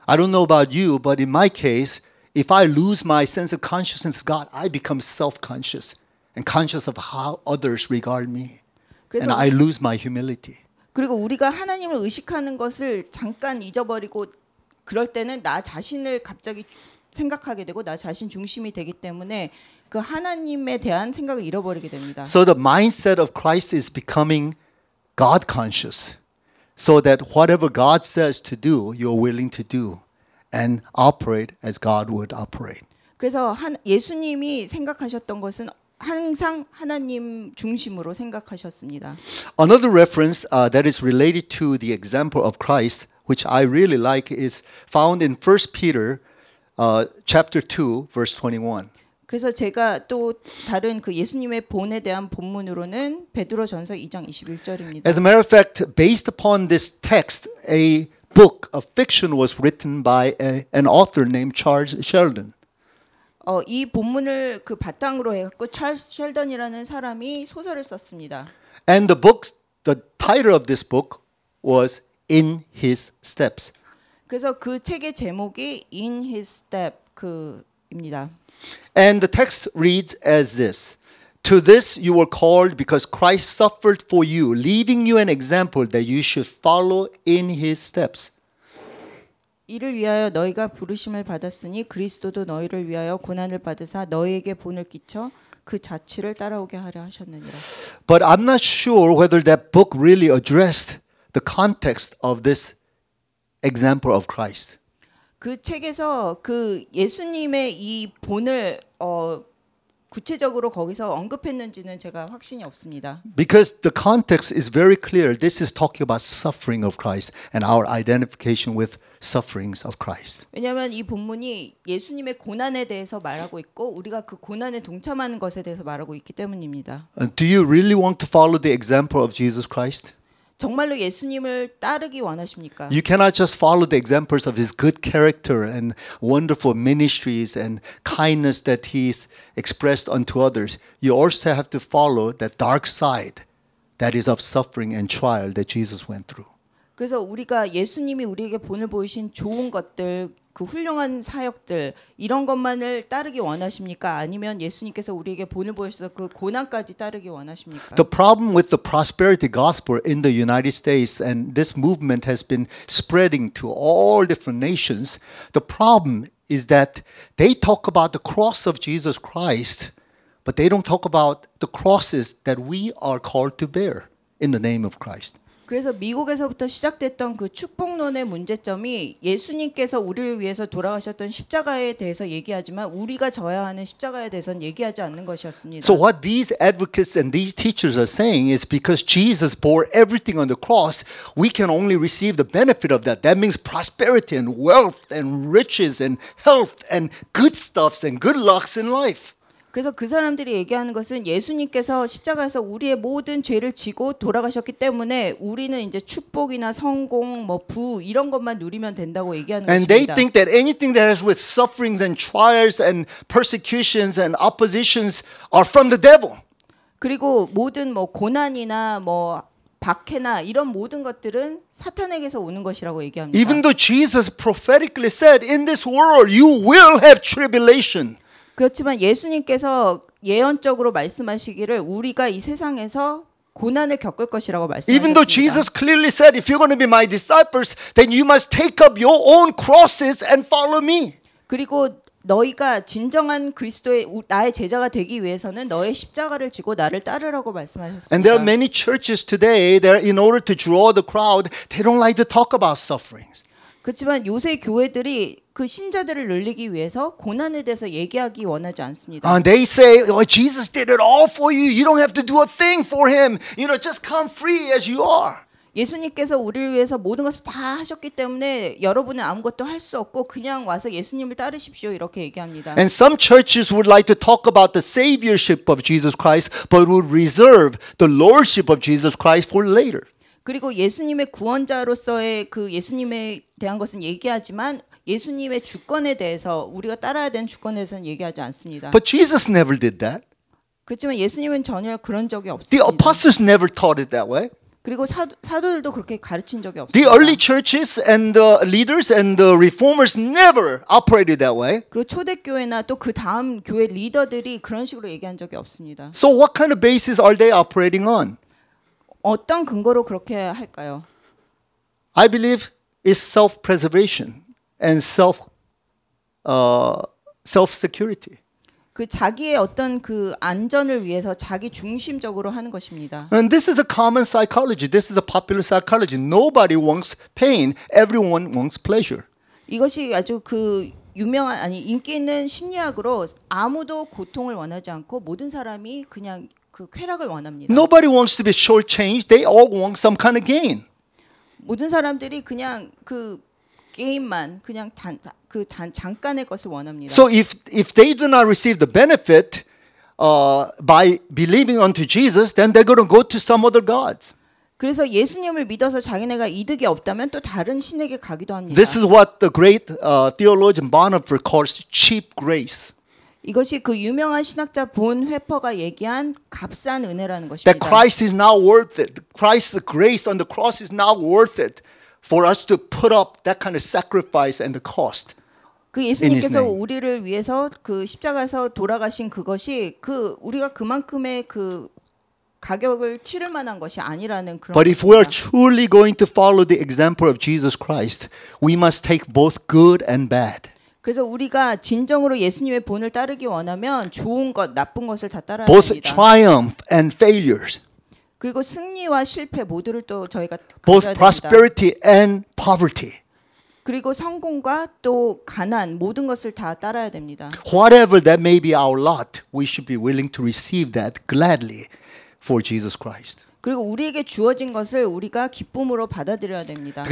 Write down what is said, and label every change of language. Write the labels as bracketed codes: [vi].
[en] I don't know about you, but in my case, if I lose my sense of consciousness of God, I become self-conscious and conscious of how others regard me. And I lose my humility. [ko] 그리고 우리가 하나님을 의식하는 것을 잠깐 잊어버리고 그럴 때는 나 자신을 갑자기 생각하게 되고 나 자신 중심이 되기 때문에 그 하나님에 대한 생각을 잃어버리게 됩니다. [en] So the mindset of Christ is becoming God-conscious so that whatever God says to do, you're willing to do. And operate as God would operate. [ko] 그래서 예수님이 생각하셨던 것은 항상 하나님 중심으로 생각하셨습니다. [en] Another reference that is related to the example of Christ, which I really like, is found in 1 Peter chapter 2, verse 21. [ko] 그래서 제가 또 다른 그 예수님의 본에 대한 본문으로는 베드로전서 2장 21절입니다. [en] As a matter of fact, based upon this text, a book of fiction was written by an author named Charles Sheldon. [ko] 이 본문을 그 바탕으로 해갖고 찰스 셸던이라는 사람이 소설을 썼습니다. [en] And the book, the title of this book was In His Steps. [ko] 그래서 그 책의 제목이 In His Step 그입니다. [en] And the text reads as this. To this you were called because Christ suffered for you, leaving you an example that you should follow in his steps. [ko] 이를 위하여 너희가 부르심을 받았으니 그리스도도 너희를 위하여 고난을 받으사 너희에게 본을 끼쳐 그 자취를 따라오게 하려 하셨느니라. [en] But I'm not sure whether that book really addressed the context of this example of Christ. [ko] 그 책에서 그 예수님의 이 본을 구체적으로 거기서 언급했는지는 제가 확신이 없습니다. [en] Because the context is very clear. This is talking about suffering of Christ and our identification with sufferings of Christ. [ko] 왜냐하면 이 본문이 예수님의 고난에 대해서 말하고 있고 우리가 그 고난에 동참하는 것에 대해서 말하고 있기 때문입니다. [en] Do you really want to follow the example of Jesus Christ? [ko] 정말로 예수님을 따르기 원하십니까? [en] You cannot just follow the examples of his good character and wonderful ministries and kindness that he's expressed unto others. You also have to follow that dark side that is of suffering and trial that Jesus went through. [ko] 그래서 우리가 예수님이 우리에게 본을 보이신 좋은 것들, 그 훌륭한 사역들 이런 것만을 따르기 원하십니까? 아니면 예수님께서 우리에게 본을 보여서 그 고난까지 따르기 원하십니까? [en] The problem with the prosperity gospel in the United States and this movement has been spreading to all different nations. The problem is that they talk about the cross of Jesus Christ, but they don't talk about the crosses that we are called to bear in the name of Christ. [ko] 그래서 미국에서부터 시작됐던 그 축복론의 문제점이 예수님께서 우리를 위해서 돌아가셨던 십자가에 대해서 얘기하지만 우리가 져야 하는 십자가에 대해서는 얘기하지 않는 것이었습니다. [en] So what these advocates and these teachers are saying is because Jesus bore everything on the cross, we can only receive the benefit of that. That means prosperity and wealth and riches and health and good stuffs and good lucks in life. [ko] 그래서 그 사람들이 얘기하는 것은 예수님께서 십자가에서 우리의 모든 죄를 지고 돌아가셨기 때문에 우리는 이제 축복이나 성공, 뭐 부 이런 것만 누리면 된다고 얘기하는 [en] and [ko] 것입니다. [en] And they think that anything that has with sufferings and trials and persecutions and oppositions are from the devil. [ko] 그리고 모든 뭐 고난이나 뭐 박해나 이런 모든 것들은 사탄에게서 오는 것이라고 얘기합니다. [en] Even though Jesus prophetically said in this world you will have tribulation. [ko] 그렇지만 예수님께서 예언적으로 말씀하시기를 우리가 이 세상에서 고난을 겪을 것이라고 말씀하셨습니다. [en] Even though Jesus clearly said if you're going to be my disciples then you must take up your own crosses and follow me. [ko] 그리고 너희가 진정한 그리스도의 나의 제자가 되기 위해서는 너의 십자가를 지고 나를 따르라고 말씀하셨습니다. [en] And there are many churches today that in order to draw the crowd, they don't like to talk about sufferings. [ko] 그렇지만 요새 교회들이 그 신자들을 늘리기 위해서 고난에 대해서 얘기하기 원하지 않습니다. [en] They say, oh, Jesus did it all for you. You don't have to do a thing for him. You know, just come free as you are. [ko] 예수님께서 우리를 위해서 모든 것을 다 하셨기 때문에 여러분은 아무것도 할 수 없고 그냥 와서 예수님을 따르십시오 이렇게 얘기합니다. [en] And some churches would like to talk about the saviorship of Jesus Christ, but would reserve the lordship of Jesus Christ for later. [ko] 그리고 예수님의 구원자로서의 그 예수님에 대한 것은 얘기하지만 예수님의 주권에 대해서 우리가 따라야 되는 주권에 대해서는 얘기하지 않습니다. [en] But Jesus never did that. [ko] 그렇지만 예수님은 전혀 그런 적이 없습니다. [en] The apostles never taught it that way. [ko] 그리고 사도들도 그렇게 가르친 적이 없습니다. [en] The early churches and the leaders and the reformers never operated that way. [ko] 그리고 초대교회나 또 그 다음 교회 리더들이 그런 식으로 얘기한 적이 없습니다. [en] So what kind of basis are they operating on? [ko] 어떤 근거로 그렇게 할까요? [en] I believe it's self-preservation and self-security. [ko] 그 자기의 어떤 그 안전을 위해서 자기 중심적으로 하는 것입니다. [en] And this is a common psychology. This is a popular psychology. Nobody wants pain. Everyone wants pleasure. [ko] 이것이 아주 그 유명한 아니 인기 있는 심리학으로 아무도 고통을 원하지 않고 모든 사람이 그냥 그 쾌락을 원합니다. [en] Nobody wants to be short-changed. They all want some kind of gain. [ko] 모든 사람들이 그냥 그 게임만 그냥 단 그 단 잠깐의 것을 원합니다. [en] So if they do not receive the benefit by believing unto Jesus, then they're going to go to some other gods. [ko] 그래서 예수님을 믿어서 자기네가 이득이 없다면 또 다른 신에게 가기도 합니다. [en] This is what the great theologian Bonhoeffer calls cheap grace. [ko] 이것이 그 유명한 신학자 본 회퍼가 얘기한 값싼 은혜라는 것입니다. [en] That Christ is not worth it. Christ's grace on the cross is not worth it for us to put up that kind of sacrifice and the cost. [ko] 그 예수님께서 우리를 위해서 그 십자가에서 돌아가신 그것이 그 우리가 그만큼의 그 가격을 치를 만한 것이 아니라는 그런 [en] But if we are truly going to follow the example of Jesus Christ, we must take both good and bad. [ko] 그래서 우리가 진정으로 예수님의 본을 따르기 원하면 좋은 것, 나쁜 것을 다 따라야 [en] Both [ko] 합니다. [en] Both triumph and failures. [ko] 그리고 승리와 실패 모두를 또 저희가 [en] Both [ko] 가져야 됩니다. [en] Both prosperity and poverty. [ko] 그리고 성공과 또 가난 모든 것을 다 따라야 됩니다. [en] Whatever that may be our lot, we should be willing to receive that gladly for Jesus Christ. [ko] 그리고 우리에게 주어진 것을 우리가 기쁨으로 받아들여야 됩니다.